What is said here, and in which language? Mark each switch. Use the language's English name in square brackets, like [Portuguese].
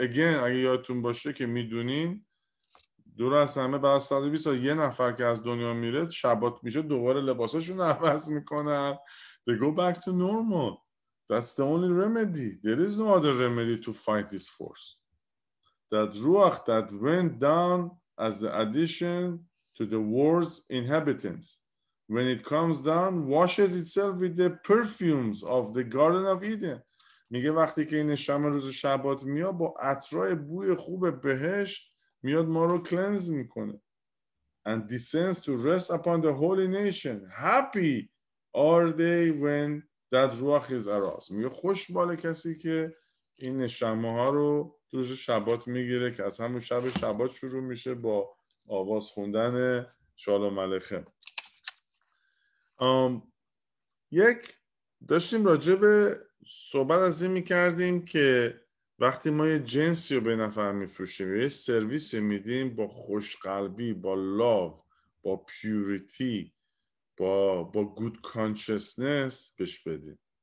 [Persian] Again اگه یادتون باشه که میدونین دور از همه بعد 120 سال یه نفر که از دنیا میره شبات میشه دوباره لباساشون عوض میکنن. [English] They go back to normal. That's the only remedy. There is no other remedy to fight this force. That ruach that went down as the addition to the world's inhabitants. When it comes down, washes itself with the perfumes of the Garden of Eden. [Persian] میگه وقتی که این نشمه روز شبات میاد با عطرای بوی خوب بهشت میاد ما رو کلنز میکنه. [English] And descends to rest upon the holy nation. Happy are they when that ruach is aroused. [Persian] میگه خوش باله کسی که این نشمه ها رو روز شبات میگیره که از همون شب شبات شروع میشه با آواز خوندن شالوم ملکه. یک داشتیم راجع به صحبت از این میکردیم که وقتی ما یه جنسی رو به نفر میفروشیم یه سرویس میدیم با خوشقلبی، با لاو، با پیوریتی، با گود کانشسنس بهش بدیم.